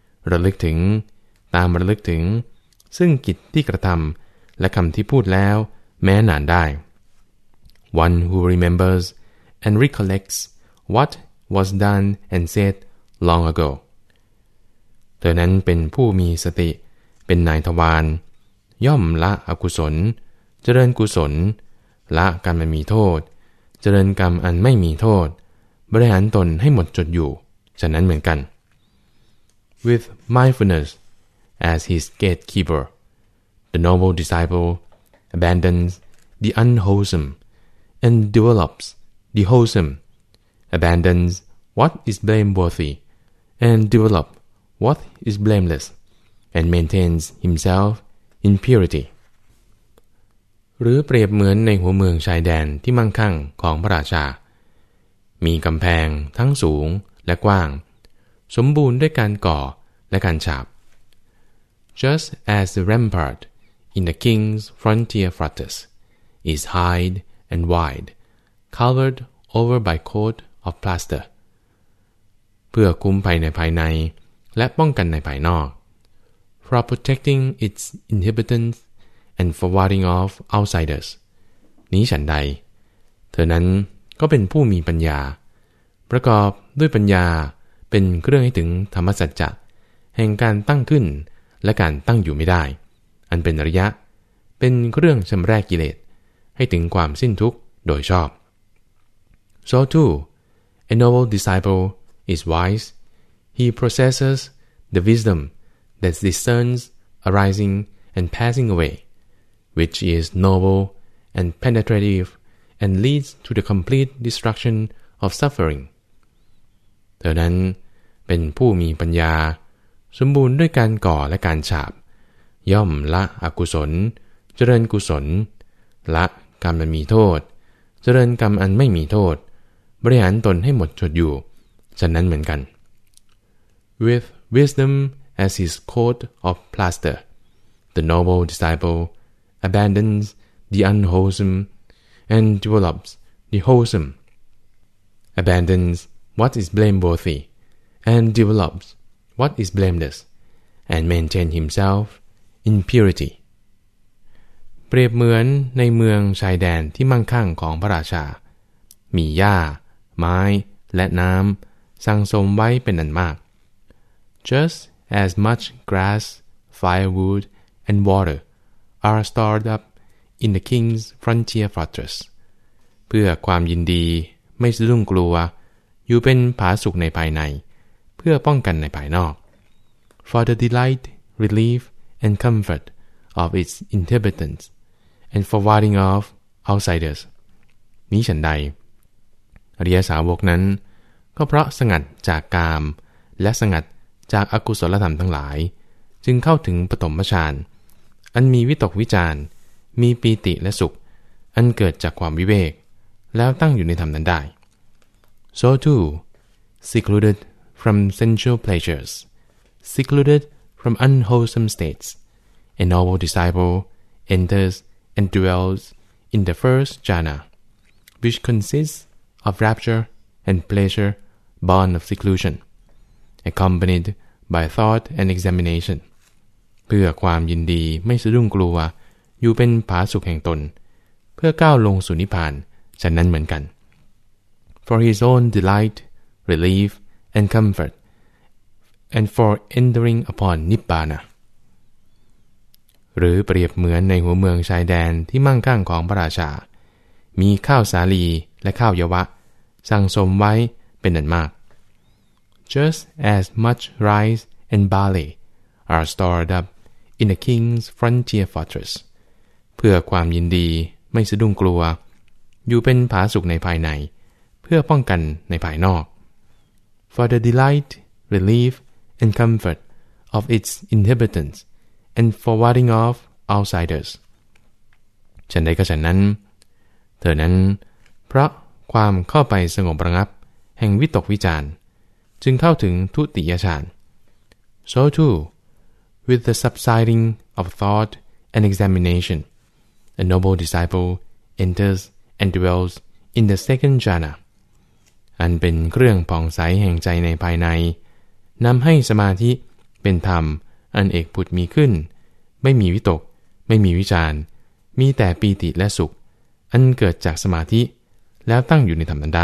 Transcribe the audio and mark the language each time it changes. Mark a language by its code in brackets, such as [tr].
[th] ระลึกถึงตามระลึกถึงซึ่งกิจที่กระทำและคำที่พูดแล้วแม้นานได้ [en] One who remembers and recollects what was done and said long ago [th] เธอนั้นเป็นผู้มีสติเป็นนายทวารย่อมละอกุศลเจริญกุศลละกรรมอันมีโทษเจริญกรรมอันไม่มีโทษบริหารตนให้หมดจดอยู่ฉะนั้นเหมือนกัน [en] With mindfulness as his gatekeeper the noble disciplesabandons the unwholesome and develops the wholesome abandons what is blameworthy and develop what is blameless and maintains himself in purity [th] หรือเปรียบเหมือนในหัวเมืองชายแดนที่มั่งคั่งของพระราชามีกำแพงทั้งสูงและกว้างสมบูรณ์ด้วยการก่อและการฉาบ [en] Just as the rampartIn the king's frontier fortress, is high and wide, covered over by coat of plaster. [th] เพื่อคุ้มภัยในภายในและป้องกันในภายนอก [en] For protecting its inhabitants and for warding off outsiders. [th] นี้ฉันใดเธอนั้นก็เป็นผู้มีปัญญาประกอบด้วยปัญญาเป็นเครื่องให้ถึงธรรมสัจจะแห่งการตั้งขึ้นและการตั้งอยู่ไม่ได้อันเป็นอริยะเป็นเรื่องชำระกิเลสให้ถึงความสิ้นทุกข์โดยชอบ [en] So too, a noble disciple is wise. He possesses the wisdom that discerns arising and passing away, which is noble and penetrative and leads to the complete destruction of suffering. [th] เธอนั้นเป็นผู้มีปัญญาสมบูรณ์ด้วยการก่อและการฉาบย่อมละอกุศลเจริญกุศลละกรรมอันมีโทษเจริญกรรมอันไม่มีโทษบริหารตนให้หมดจดอยู่ฉะนั้นเหมือนกัน [en] With wisdom as his coat of plaster the noble disciple abandons the unwholesome and develops the wholesome abandons what is blameworthy and develops what is blameless and maintains himself in purity. [th] เปรียบเหมือนในเมืองชายแดนที่มั่งคั่งของพระราชามีหญ้าไม้และน้ำสั่งสมไว้เป็นอันมาก [en] Just as much grass, firewood, and water are stored up in the king's frontier fortress. [th] เพื่อความยินดีไม่สะดุ้งกลัวอยู่เป็นผาสุกในภายในเพื่อป้องกันในภายนอก [en] For the delight, relief, and comfort of its inhabitants, and for warding off outsiders. [th] นี้ฉันใดอริยสาวกนั้นก็เพราะสงัดจากกามและสงัดจากอกุศลธรรมทั้งหลายจึงเข้าถึงปฐมฌานอันมีวิตกวิจารมีปีติและสุขอันเกิดจากความวิเวกแล้วตั้งอยู่ในธรรมนั้นได้ [en] So too, secluded from sensual pleasures, secluded from unwholesome states, a noble disciple enters and dwells in the first jhana, which consistsof rapture and pleasure born of seclusion, accompanied by thought and examination. [th] เพื่อความยินดีไม่สะดุ้งกลัวอยู่เป็นผาสุขแห่งตนเพื่อก้าวลงสู่นิพพานฉะนั้นเหมือนกัน [en] For his own delight, relief, and comfort, and for entering upon Nibbana. [th] หรือเปรียบเหมือนในหัวเมืองชายแดนที่มั่งคั่งของพระราชามีข้าวสาลีและข้าวยวะสั่งสมไว้เป็นอันมาก [en] Just as much rice and barley are stored up in the king's frontier fortress. [th] เพื่อความยินดีไม่สะดุ้งกลัวอยู่เป็นผาสุกในภายในเพื่อป้องกันในภายนอก [en] For the delight, relief, and comfort of its inhabitants, and for warding off outsiders. [th] ฉันใดก็ฉันนั้นเธอนั้นเพราะความเข้าไปสงบระงับแห่งวิตกวิจารจึงเข้าถึงทุติยฌาน [en] So too, with the subsiding of thought and examination, a noble disciple enters and dwells in the second jhana. [th] อันเป็นเครื่องผ่องใสแห่งใจในภายในนำให้สมาธิเป็นธรรมอันเอกผุดมีขึ้นไม่มีวิตกไม่มีวิจารมีแต่ปีติและสุขอันเกิดจากสมาธิแล้วตั้งอยู่ในธรรมนั้นได